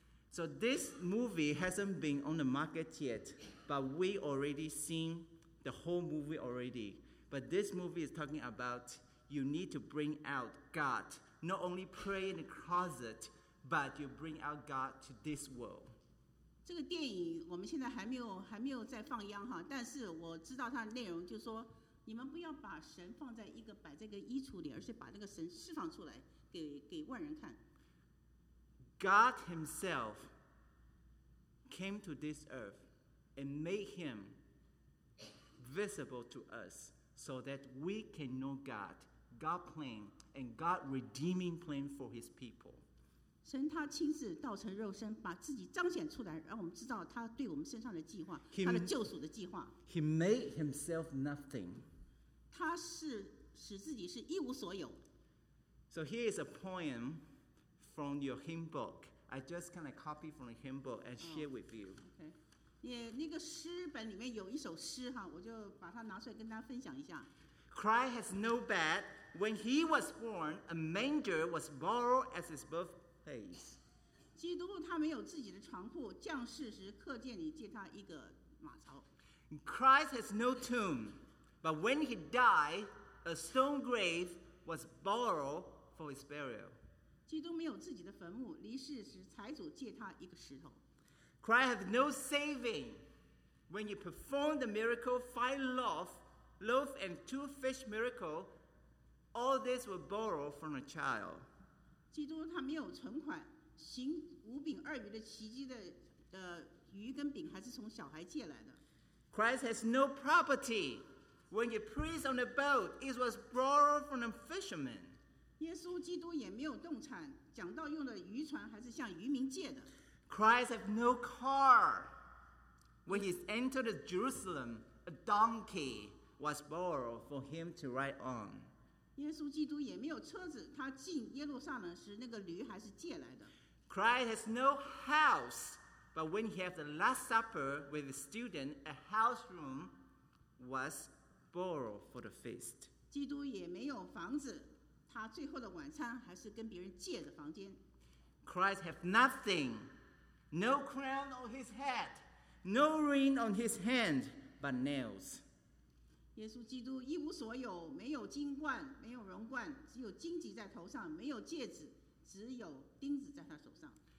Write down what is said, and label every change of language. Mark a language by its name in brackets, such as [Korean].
[English] So this movie hasn't been on the market yet, but we already seen the whole movie already. But this movie is talking about you need to bring out God, not only pray in the closet, but you bring out God to this world. [Chinese] 这个电影我们现在还没有在放央哈，但是我知道它的内容，就是说你们不要把神放在一个摆在一个衣橱里，而是把那个神释放出来给万人看。 [English] God himself came to this earth and made him visible to us so that we can know God, God plan and God redeeming plan for his people. [Chinese] 神他亲自道成肉身，把自己彰显出来，让我们知道他对我们身上的计划，他的救赎的计划。 [English] He made himself nothing. [Chinese] 他是使自己是一无所有。 [English] So here is a poem from your hymn book. I just kind of copy from the hymn book and share with you. Okay. [Chinese] 那个诗本里面有一首诗哈，我就把它拿出来跟大家分享一下。 [English] Christ has no bed. When he was born, a manger was borrowed as his birth. [Chinese] 基督他没有自己的床铺，降世时客店里借他一个马槽。 [English] Christ has no tomb, but when he died, a stone grave was borrowed for his burial. [Chinese] 基督没有自己的坟墓，离世时财主借他一个石头。 [English] Christ has no saving, when he performed the miracle, 5 loaves and 2 fish miracle, all this were borrowed from a child. [Chinese] 基督他没有存款，行五饼二鱼的奇迹的鱼跟饼还是从小孩借来的。 [English] Christ has no property. When he preached on the boat, it was borrowed from a fisherman. [Chinese] 耶稣基督也没有动产，讲道用的渔船还是向渔民借的。 [English] Christ has no car. When he entered Jerusalem, a donkey was borrowed for him to ride on. [Chinese] 耶稣基督也没有车子，他进耶路撒冷时，那个驴还是借来的。 [English] Christ has no house, but when he had the last supper with the student, a house room was borrowed for the feast. [Chinese] 基督也没有房子，他最后的晚餐还是跟别人借的房间。 [English] Christ has nothing, no crown on his head, no ring on his hand, but nails. [Chinese] 耶稣基督一无所有，没有金冠，没有荣冠，只有荆棘在头上，没有戒指，只有钉子在他手上。